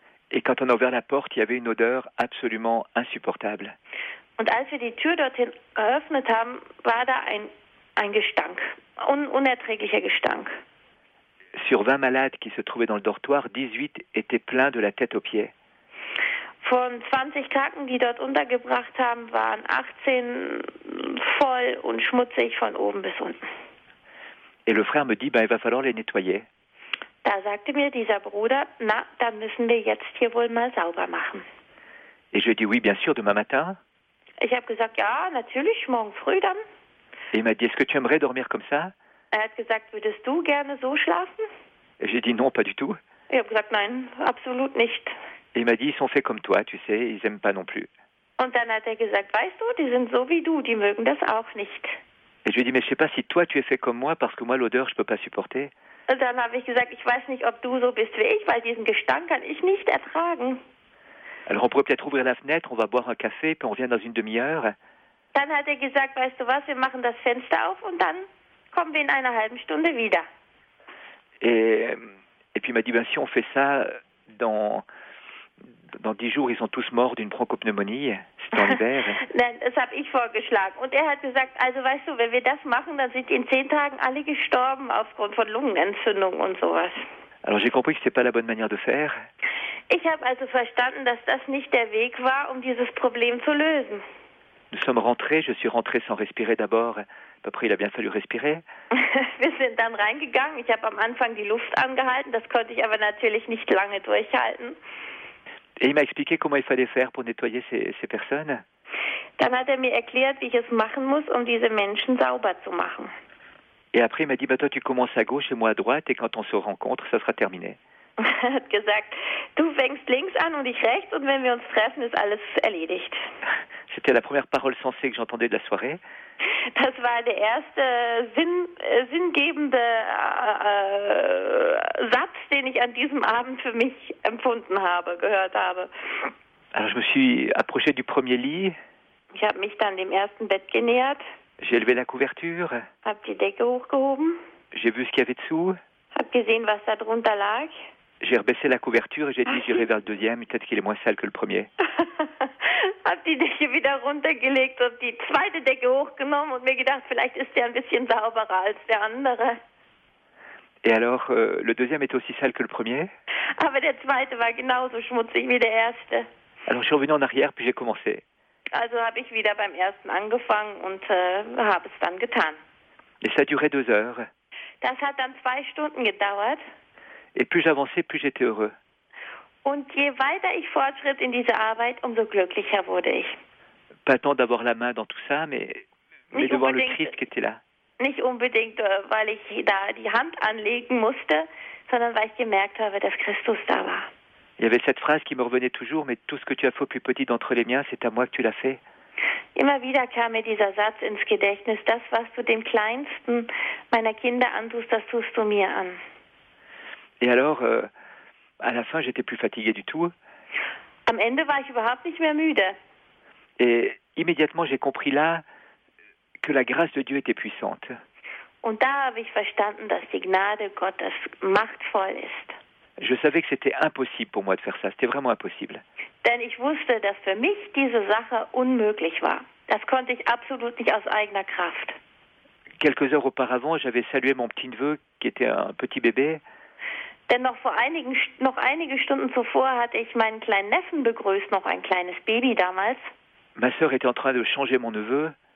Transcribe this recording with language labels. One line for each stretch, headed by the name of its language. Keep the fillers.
French: Et quand on a ouvert la porte, il y avait une odeur absolument insupportable.
German: Und als wir die Tür dorthin eröffnet haben, war da ein, ein Gestank, un, unerträglicher Gestank.
French: Sur 20 malades qui se trouvaient dans le dortoir, 18 étaient pleins de la tête aux pieds.
German: Von 20 Kranken, die dort untergebracht haben, waren 18 voll und schmutzig von oben bis unten.
French: Et le frère me dit, ben, il va falloir les nettoyer.
German: Da sagte mir dieser Bruder, na, dann müssen wir jetzt hier wohl mal sauber machen.
French: Et je dis oui, bien sûr, demain matin.
German: Ich habe gesagt, ja, natürlich, morgen früh dann.
French: Et il m'a dit, est-ce que tu aimerais dormir comme ça?
German: Er hat gesagt, würdest du gerne so schlafen?
French: J'ai dit non, pas du tout.
German: Ich habe gesagt, nein, absolut nicht.
French: Et il m'a dit, ils sont faits comme toi, tu sais, ils aiment pas non plus.
German: Und dann hat er gesagt, weißt du, die sind so wie du, die mögen das auch nicht.
French: Et je lui ai dit, mais je sais pas si toi tu es fait comme moi, parce que moi l'odeur je peux pas supporter.
German: Und dann habe ich gesagt, ich weiß nicht, ob du so bist wie ich, weil diesen Gestank kann ich nicht ertragen.
French: Alors on pourrait peut-être ouvrir la fenêtre, on va boire un café, puis on revient dans une demi-heure.
German: Dann hat er gesagt, weißt du was, wir machen das Fenster auf und dann kommen wir in einer halben Stunde wieder.
French: Et, et puis il m'a dit, ben, si on fait ça, dans, dans 10 jours, ils sont tous morts d'une bronchopneumonie. C'était en hiver.
German: Nein, das habe ich vorgeschlagen. Und er hat gesagt, also weißt du, wenn wir das machen, dann sind in zehn Tagen alle gestorben aufgrund von Lungenentzündung und sowas.
French: Alors j'ai compris que c'était pas la bonne manière de faire.
German: Ich habe also verstanden, dass das nicht der Weg war, um dieses Problem zu lösen.
French: Nous sommes rentrés, je suis rentré sans respirer d'abord. Après, il a bien fallu respirer.
German: Wir sind dann reingegangen. Ich habe am Anfang die Luft angehalten. Das konnte ich aber natürlich nicht lange durchhalten.
French: Et il m'a expliqué comment il fallait faire pour nettoyer ces, ces personnes.
German: Dann hat er mir erklärt, wie ich es machen muss, um diese Menschen sauber zu machen.
French: Et après, il m'a dit, bah, toi, tu commences à gauche et moi à droite, et quand on se rencontre, ça sera terminé.
German: Er hat gesagt, du fängst links an und ich rechts, und wenn wir uns treffen, ist alles erledigt.
French: C'était la première parole sensée que j'entendais de la soirée.
German: Das war der erste Sinn, äh, sinngebende äh, äh, Satz, den ich an diesem Abend für mich empfunden habe, gehört habe.
French: Alors, je me suis approché du premier lit,
German: Ich habe mich dann dem ersten Bett genähert,
French: j'ai élevé la couverture,
German: habe die Decke hochgehoben,
French: j'ai vu ce qu'il y avait dessous,
German: habe gesehen, was da drunter lag.
French: j'ai rebaissé la couverture et j'ai dit, j'irai vers le deuxième, peut-être qu'il est moins sale que le premier.
German: habe die Decke wieder runtergelegt und die zweite Decke hochgenommen und mir gedacht, vielleicht ist der ein bisschen sauberer als der andere.
French: Et alors, euh, le deuxième était aussi sale que le premier.
German: Aber der zweite war genauso schmutzig wie der erste.
French: Alors, je suis revenu en arrière, puis j'ai commencé.
German: Also habe ich wieder beim ersten angefangen und äh, habe es dann getan.
French: Et ça durait deux heures.
German: Das hat dann zwei Stunden gedauert.
French: Et plus j'avançais, plus j'étais heureux.
German: Und je weiter ich fortschritt in dieser Arbeit, umso glücklicher wurde ich.
French: Pas tant d'avoir la main dans tout ça, mais, mais Oui, de voir le
German: unbedingt.
French: Christ qui était là.
German: Nicht unbedingt, äh, weil ich da die Hand anlegen musste, sondern weil ich gemerkt habe, dass Christus da war.
French: Il y avait cette phrase qui me revenait toujours, mais tout ce que tu as fait au plus petit d'entre les miens, c'est à moi que tu l'as fait.
German: Immer wieder kam mir dieser Satz ins Gedächtnis, das, was du dem kleinsten meiner Kinder antust, das tust du mir an.
French: Et alors, euh, à la fin, j'étais plus fatigué du tout.
German: Am Ende war ich überhaupt nicht mehr müde.
French: Et immédiatement, j'ai compris là que la grâce de Dieu était puissante.
German: Und da habe ich verstanden, dass die Gnade Gottes machtvoll ist.
French: Je savais que c'était impossible pour moi de faire ça. C'était vraiment impossible.
German: Denn ich wusste, dass für mich diese Sache unmöglich war. Das konnte ich absolut nicht aus eigener Kraft.
French: Quelques heures auparavant, j'avais salué mon petit-neveu qui était un petit bébé.
German: Denn noch vor einigen, noch einige Stunden zuvor hatte ich meinen kleinen Neffen begrüßt, noch ein kleines Baby damals.
French: Ma sœur était en train de changer mon neveu.